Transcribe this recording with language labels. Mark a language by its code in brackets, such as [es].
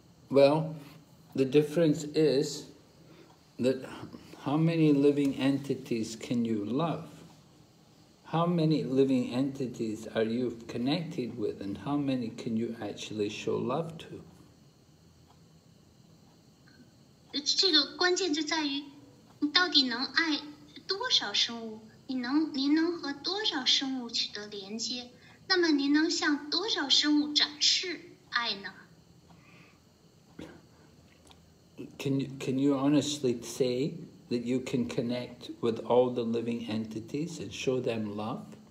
[en] Well, the difference is that. How many living entities can you love? How many living entities are you connected with, and how many can you actually show love to? [zh] 这个关键就在于你到底能爱多少生物，你能和多少生物取得连接，那么您能向多少生物展示爱呢？ [en] Can you honestly say that you can connect with all the living entities and show them love?